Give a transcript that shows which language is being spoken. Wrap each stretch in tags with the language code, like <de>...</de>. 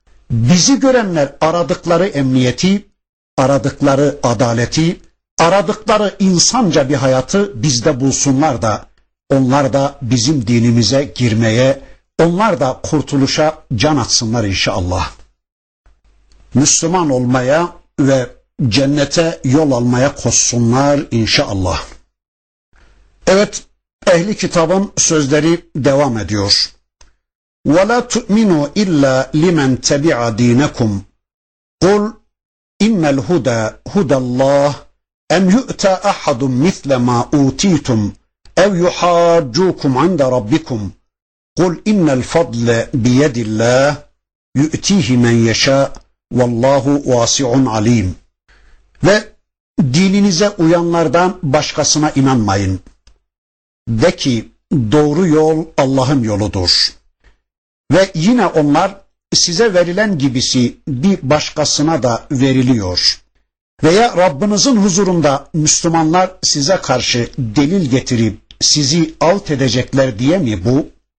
<tr>Bizi görenler aradıkları emniyeti, aradıkları adaleti, aradıkları insanca bir hayatı bizde bulsunlar da onlar da bizim dinimize girmeye, onlar da kurtuluşa can atsınlar inşallah. Müslüman olmaya ve cennete yol almaya koşsunlar inşallah. Evet, ehli kitabın sözleri devam ediyor.</tr> <ar>وَلَا تُؤْمِنُوا اِلَّا لِمَنْ تَبِعَ د۪ينَكُمْ قُلْ اِمَّ الْهُدَى هُدَى اللّٰهِ اَمْ يُؤْتَى اَحَدٌ مِثْلَ مَا اُوْتِيْتُمْ اَوْ يُحَاجُّوكُمْ عِنْدَ رَبِّكُمْ قُلْ اِنَّ الْفَضْلَ بِيَدِ اللّٰهِ يُؤْتِيهِ مَنْ يَشَاءُ وَاللّٰهُ وَاسِعٌ عَلِيمٌ</ar> <tr>Ve dininize uyanlardan başkasına inanmayın. De ki doğru yol Allah'ın yoludur. Ve yine onlar size verilen gibisi bir başkasına da veriliyor. Veya Rabbinizin huzurunda Müslümanlar size karşı delil getirip sizi alt edecekler diye mi bu?</tr>